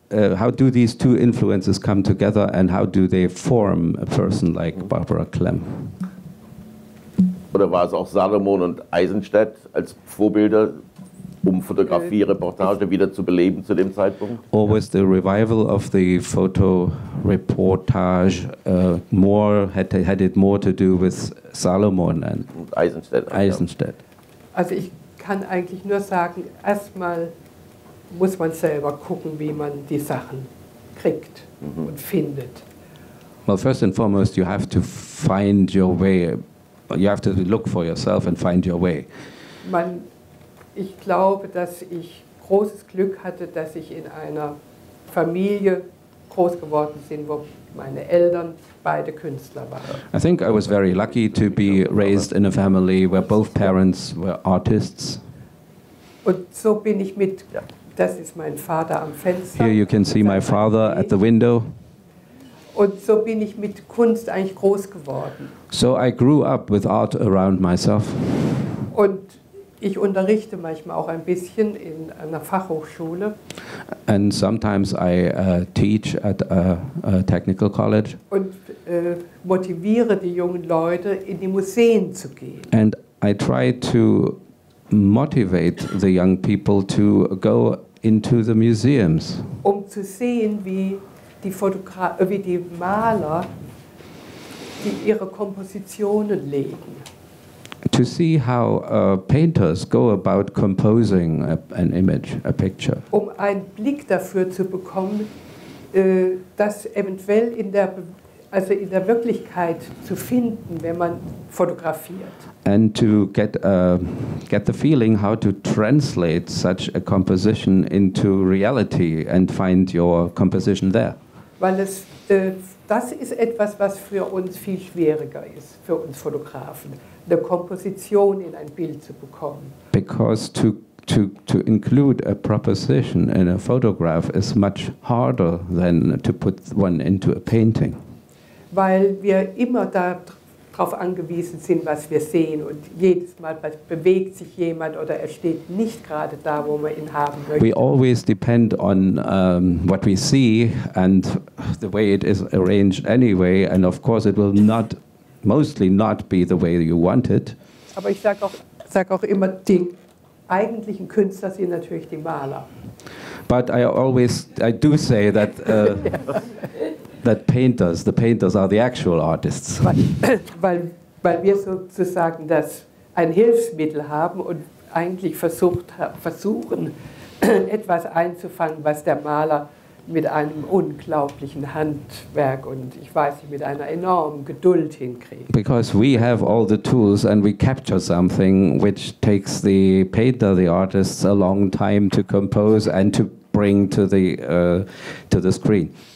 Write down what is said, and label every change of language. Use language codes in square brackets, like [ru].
[en] how do these two influences come together, and how do they form a person like Barbara Klemm? [de] Oder war es auch Salomon und Eisenstadt als Vorbilder, um Fotografie, Reportage wieder zu beleben zu dem Zeitpunkt? [en] Or was the revival of the photo reportage more, had it more to do with Salomon and Eisenstadt? [de] Also ich kann eigentlich nur sagen, erstmal muss man selber gucken, wie man die Sachen kriegt und findet. [en] Well, first and foremost, you have to find your way. You have to look for yourself and find your way. [de] Ich glaube, dass ich großes Glück hatte, dass ich in einer Familie groß geworden bin, wo meine Eltern beide Künstler waren. [en] I think I was very lucky to be raised in a family where both parents were artists. [de] Und so bin ich mit, das ist mein Vater am Fenster. [en] Here you can see my father at the window. [de] Und so bin ich mit Kunst eigentlich groß geworden. [en] So I grew up with art around myself. [de] Und ich unterrichte manchmal auch ein bisschen in einer Fachhochschule. [en] And sometimes I teach at a technical college. [de] Und motiviere die jungen Leute, in die Museen zu gehen. [en] And I try to motivate the young people to go into the museums. [de] Um zu sehen, wie die Maler die ihre Kompositionen legen. [en] To see how painters go about composing an image, a picture. [de] Um einen Blick dafür zu bekommen, das eventuell in der Wirklichkeit zu finden, wenn man fotografiert. [en] And to get the feeling how to translate such a composition into reality and find your composition there. [de] Weil es das ist etwas, was für uns viel schwieriger ist, für uns Fotografen, eine Komposition in ein Bild zu bekommen. [en] Because to include a proposition in a photograph is much harder than to put one into a painting. [de] Weil wir immer darauf angewiesen sind, was wir sehen, und jedes Mal bewegt sich jemand oder er steht nicht gerade da, wo man ihn haben möchte. [en] We always depend on what we see and the way it is arranged anyway, and of course it will not mostly not be the way you want it. [de] Aber ich sag auch immer, die eigentlichen Künstler sind natürlich die Maler. [en] But I do say that that the painters are the actual artists. [de] Weil wir sozusagen das ein Hilfsmittel haben und eigentlich versuchen etwas einzufangen, was der Maler mit einem unglaublichen Handwerk und ich weiß nicht, mit einer enormen Geduld hinkriegt. [en] Because we have all the tools and we capture something which takes the painter, the artists, a long time to compose and to bring to the screen.